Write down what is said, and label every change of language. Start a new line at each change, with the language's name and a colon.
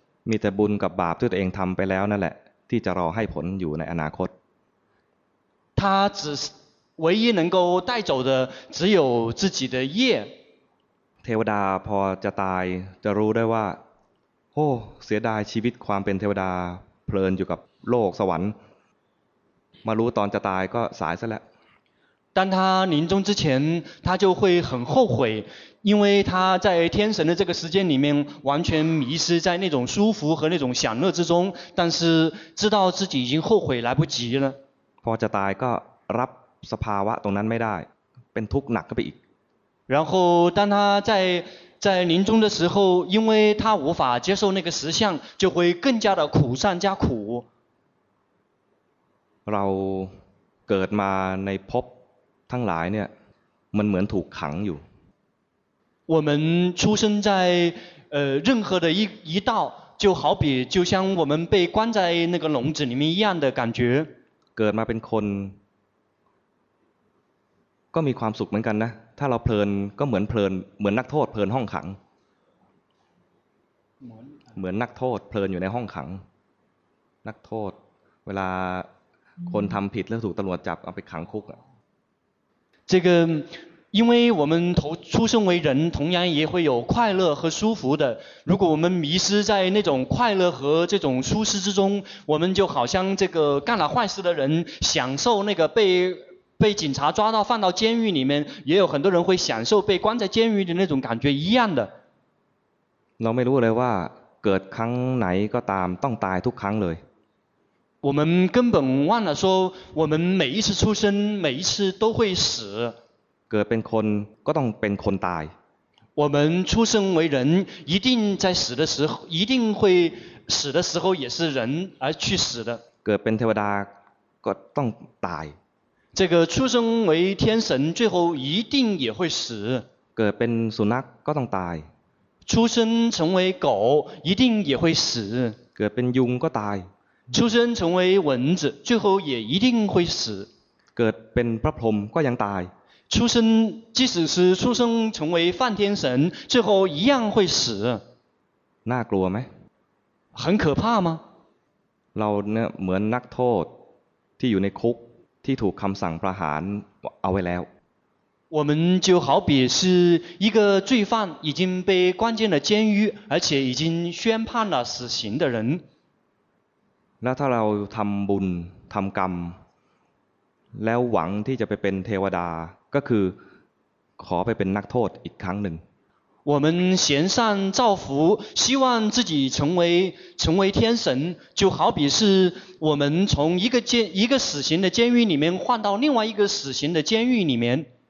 Thai: มีแต่บุญกับบาปที่ตัวเองทำไปแล้วนั่นแหละที่จะรอให้ผลอยู่ในอนาคต。
Chinese: 他只是唯一能够带走的只有自己的业。
Thai: เทวดาพอจะตายจะรู้ได้ว่าโอ้เสียดายชีวิตความเป็นเทวดาเพลินอยู่กับโลกสวรรค์มารู้ตอนจะตายก็สายซะแล้ว。
Chinese: 当他临终之前，他就会很后悔，因为他在天神的这个时间里面完全迷失在那种舒服和那种享乐之中，但是知道自己已经后悔来不及了。
Thai: พอจะตายก็รับสภาวะตรงนั้นไม่ได้เป็นทุกข์หนักขึ้นไปอีก
Chinese: 然后当他在临终的时候因为他无法接受那个实相就会更加的苦上加苦
Thai: เราเกิดมาในภพทั้งหลายเนี่ยมันเหมือนถูกขังอยู่
Chinese: 我们出生在任何的一道就好比就像我们被关在那个笼子里面一样的感觉
Thai: เกิดมาเป็นคน ก็มีความสุขเหมือนกันนะถ้าเราเพลินก็เหมือนเพลินเหมือนนักโทษเพลินห้องขังเหมือนนักโทษเพลินอยู่ในห้องขังนักโทษเวลาคนทำผิดแล้วถูกตำรวจจับเอาไปขังคุกอ่ะ
Chinese: 这个因为我们头出生为人同样也会有快乐和舒服的如果我们迷失在那种快乐和这种舒适之中我们就好像这个干了坏事的人享受那个被警察抓到放到监狱里面也有很多人会享受被关在监狱的那种感觉一样的
Thai: เราไม่รู้เลยว่าเกิดครั้งไหนก็ตามต้องตายทุกครั้งเลย
Chinese: 我们根本忘了说我们每一次出生每一次都会死
Thai: เกิดเป็นคนก็ต้องเป็นคนตาย
Chinese: 我们出生为人一定在死的时候一定会死的时候也是人而去死的
Thai: เกิดเป็นเทวดาก็ต้องตาย
Chinese: 这个出生为天神最后一定也会死
Thai: เกิดเป็นสุนัขก็ต้องตาย
Chinese: 出生成为狗一定也会死
Thai: เกิดเป็นยุงก็ตาย
Chinese: 出生成为蚊子最后也一定会死
Thai: เกิดเป็นพระพรหมก็ยังตาย
Chinese: 出生即使是出生成为梵天神最后一样会死
Thai: น่ากลัวไหม
Chinese: 很可怕吗
Thai: เราเนี่ยเหมือนนักโทษที่อยู่ในคุกที่ถูกคำสั่งประหารเอาไว้แล้ว
Chinese: 我们就好比是一个罪犯已经被关进了监狱而且已经宣判了死刑的人
Thai: แล้วถ้าเราทำบุญทำกรรมแล้วหวังที่จะไปเป็นเทวดาก็คือขอไปเป็นนักโทษอีกครั้งหนึ่ง
Chinese: 我们行善造福希望自己成为天神就好比是我们从一个死刑的监狱里面换到另外一个死刑的监狱里面